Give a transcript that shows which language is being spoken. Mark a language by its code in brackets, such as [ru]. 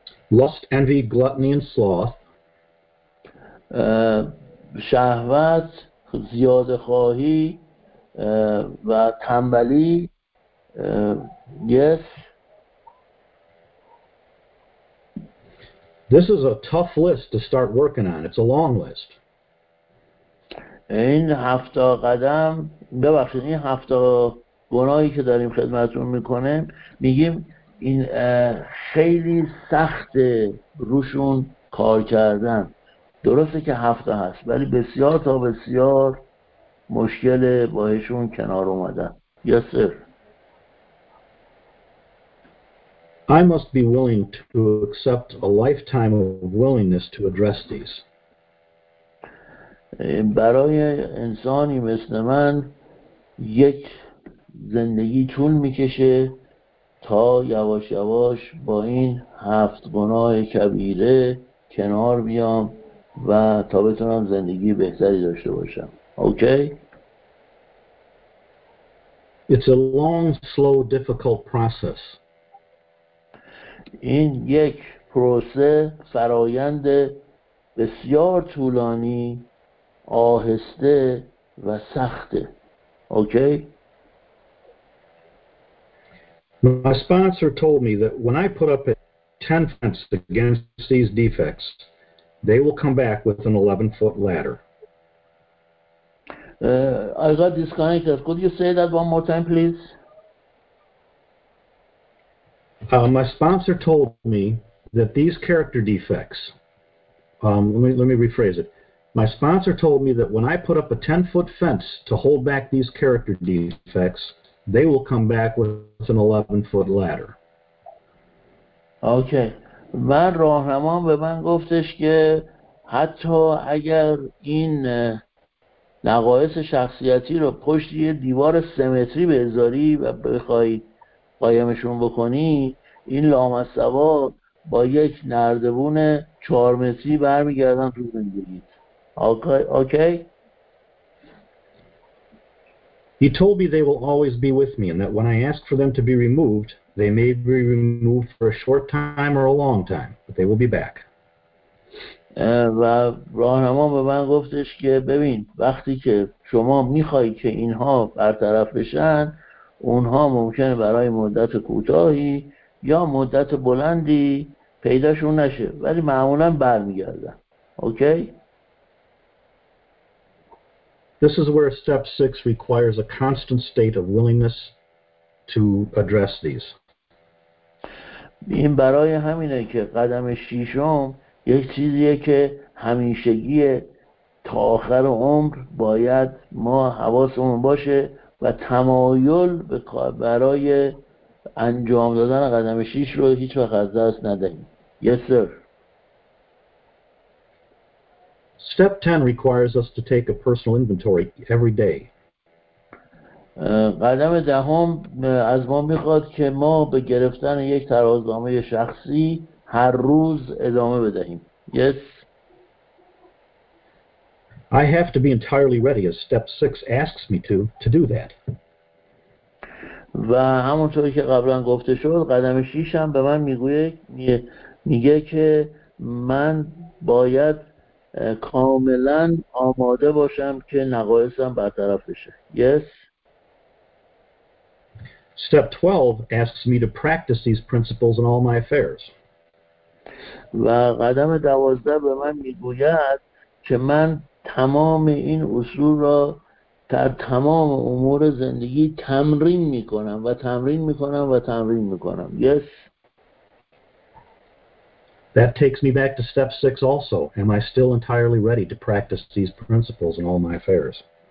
[en] Lust, envy, gluttony and sloth. [fa] شهوت، زیاده خواهی و تنبلی. [en] Yes. This is a tough list to start working on. It's a long list. [fa] این هفتا قدم، ببخشید، این هفتا گناهی که داریم خدمتتون میکنیم، میگیم این خیلی سخت روشون کار کردن. درسته که هفتا هست، ولی بسیار تا بسیار مشکل باهشون کنار اومدن. [en] Yes sir. [fa] I must be willing to accept a lifetime of willingness to address these. برای انسانی مثل من یک زندگی طول میکشه تا یواش یواش با این هفت گناه کبیره کنار بیام و تا بتونم زندگی بهتری داشته باشم. [en] Okay? It's a long, slow, difficult process. [fa] این یک پروسه، فرایند بسیار طولانی، آهسته و سخته. [en] Okay? My sponsor told me that when I put up a 10 fence against these defects, they will come back with an 11-foot ladder. I got disconnected. Could you say that one more time, please? My sponsor told me that these character defects, let me rephrase it. My sponsor told me that when I put up a 10-foot fence to hold back these character defects, they will come back with an 11-foot ladder. Okay. [fa] من راهنمام به من گفتش که حتی اگر این نقایص شخصیتی رو پشت یه دیوار سمتری بذاری و بخوای قایمشون بکنی، این لامصبا با یک نردبون 4 متری برمیگردن تو زندگیت. اوکی. [en] He He told me they will always be with me, and that when I ask for them to be removed, they may be removed for a short time or a long time, but they will be back. [fa] و راهنما به من گفتش که ببین وقتی که شما میخوای که اینها برطرف بشن اونها ممکنه برای مدت کوتاهی یا مدت بلندی پیداشون نشه ولی معمولا برمیگردن. [en] Okay? This is where step 6 requires a constant state of willingness to address these. [fa] این برای همینه که قدم ششم یک چیزیه که همیشگی تا آخر عمر باید ما حواسمون باشه و تمایل به برای انجام دادن قدم شیش رو هیچ وقت از دست ندهیم. [en] Yes, sir. Step 10 requires us to take a personal inventory every day. [fa] قدم دهم از ما میخواد که ما به گرفتن یک ترازنامه شخصی هر روز ادامه بدهیم. [en] Yes. I have to be entirely ready as step 6 asks me to do that. [fa] و همونطوری که قبلا گفته شد قدم 6 هم به من میگه که من باید کاملا آماده باشم که نقایصم برطرف بشه. [en] Yes. Step 12 asks me to practice these principles in all my affairs. [fa] و قدم 12 به من میگوید که من تمام این اصول را در تمام امور زندگی تمرین میکنم و تمرین میکنم و تمرین میکنم. [en] Yes. That takes me back to step 6 also. Am I still entirely ready to practice these principles in all my affairs?